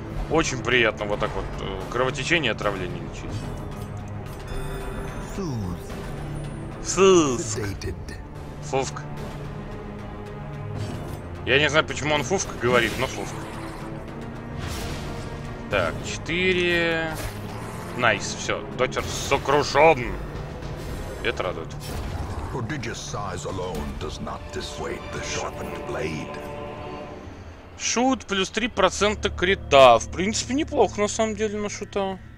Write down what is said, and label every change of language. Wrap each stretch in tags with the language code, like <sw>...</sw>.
<ru>Очень приятно вот так вот кровотечение и отравление лечить. Фуфк. Я не знаю, почему он фуфк говорит, но фуфк. Так, 4. Найс, все, дотер сокрушен. Это радует.</ru> <en>Prodigious size alone does not dissuade the sharpened blade.</en> <ru>Шут плюс 3% крита. В принципе, неплохо на самом деле на шута.</ru>